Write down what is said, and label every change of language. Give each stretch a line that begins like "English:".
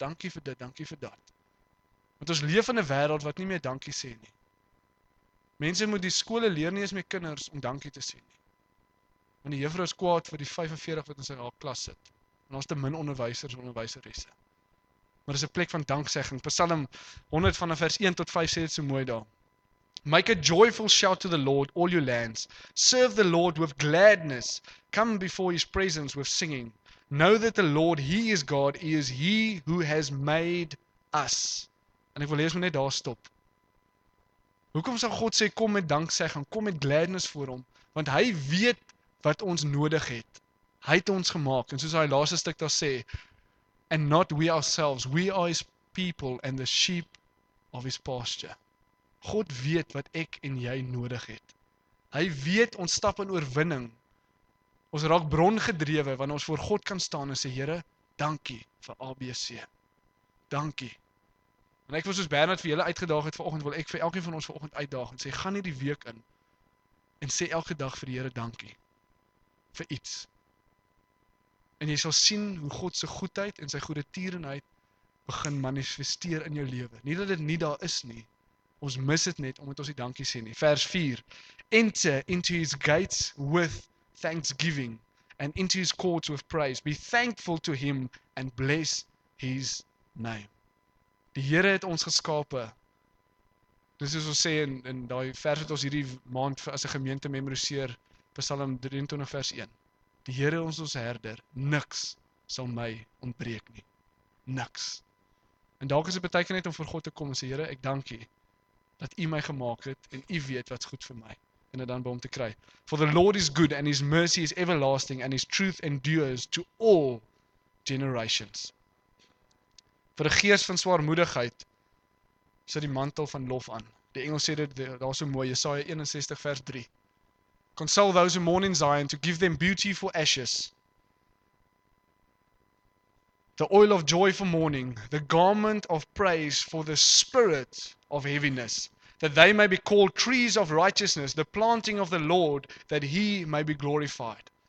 Afrikaans: Dankie vir dit, dankie vir dat. Want ons leef in 'n wêreld wat nie meer dankie sê nie. Mense moet die skole leer nie eens met kinders om dankie te sê nie. Want die juffrou is kwaad vir die 45 wat in sy klas sit. En ons te min onderwysers en onderwyseresse. maar dis 'n plek van danksegging. Psalm 100 vanaf vers 1 tot 5 sê dit so mooi daar.
English: Make a joyful shout to the Lord, all you lands. Serve the Lord with gladness. Come before his presence with singing. Know that the Lord, he is God, he is he who has made us.
Afrikaans: En ek wil lees maar net daar stop. Hoekom sal God sê kom met danksegging, kom met gladness voor hom? Want hy weet wat ons nodig het. Hy het ons gemaak. En soos hy laaste stuk daar sê,
English: and not we ourselves, we are his people and the sheep of his pasture.
Afrikaans: God weet wat ek en jy nodig het. Hy weet ons stap in oorwinning. Ons raak brongedrewe wanneer ons voor God kan staan en sê, Here, dankie vir ABC. Dankie. En ek wil soos Bernard vir julle uitgedaag het vanoggend, wil ek vir elkeen van ons vanoggend uitdaag en sê, gaan hierdie week in en sê elke dag vir die Here dankie vir iets. En jy sal sien hoe God se goedheid en sy goedertierenheid begin manifesteer in jou lewe. Nie dat dit nie daar is nie. Ons mis dit net omdat ons die dankie sê nie. Vers 4.
English: Enter into his gates with thanksgiving and into his courts with praise. Be thankful to him and bless his name.
Afrikaans: Die Here het ons geskape. Dis soos ons sê in daai vers wat ons hierdie maand vir as 'n gemeente memoriseer, Psalm 23 vers 1. Die Here is ons herder, niks sal my ontbreek nie. Niks. En dalk is dit baie keer net om vir God te kom en sê Here, ek dank U dat U my gemaak het en U weet wat's goed vir my en dit dan by hom te kry.
English: For the Lord is good and his mercy is everlasting and his truth endures to all generations.
Afrikaans: Vir 'n gees van swaarmoedigheid sit die mantel van lof aan. Die Engels sê dit daar so mooi, Jesaja 61 vers 3.
English: Console those who mourn in Zion to give them beauty for ashes. The oil of joy for mourning, the garment of praise for the spirit of heaviness, that they may be called trees of righteousness, the planting of the Lord, that he may be glorified.